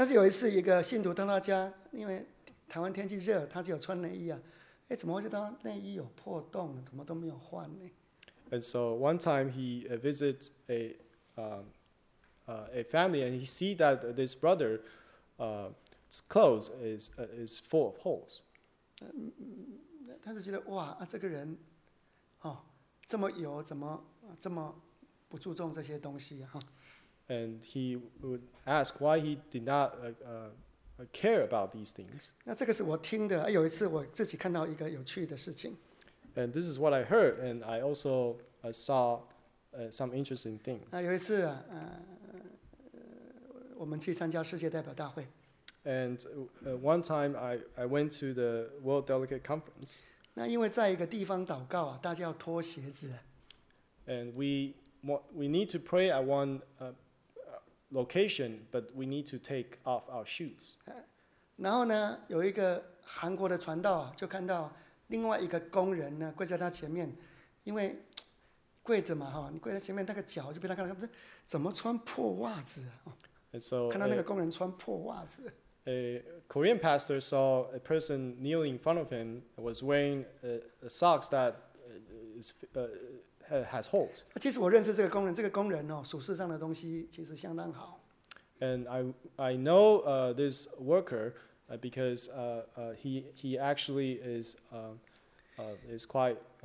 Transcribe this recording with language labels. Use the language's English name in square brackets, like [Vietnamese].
[Chinese] 但是有一次，一个信徒到他家，因为台湾天气热，他只有穿内衣怎么会知道内衣有破洞，怎么都没有换呢 [English] ？And so one time he visits a family, and he see that this brother. Its clothes is full of holes. [Chinese] 他就觉得哇这个人这么有这么不注重这些东西 [English] And he would ask why he did not care about these things. [Chinese] 那这个是我听的，有一次我自己看到一个有趣的事情。 [English] And this is what I heard, and I also saw some interesting things. [Chinese] 有一次，我们去参加世界代表大会。 [English] And one time I went to the World Delegate Conference. [Chinese] 那因为在一个地方祷告，大家要脱鞋子。 [English] And we need to pray at one location, but we need to take off our shoes. [Chinese] 然后呢，有一个韩国的传道就看到另外一个工人呢跪在他前面，因为跪着嘛，你跪在前面，那个脚就被他看到，怎么穿破袜子？ [English] And so, [Chinese] 看到那个工人穿破袜子。 [English] A Korean pastor saw a person kneeling in front of him was wearing a socks that is has holes. [Chinese] 其实我认识这个工人，这个工人哦，属事上的东西其实相当好。 [English] And I know this worker because he actually is quite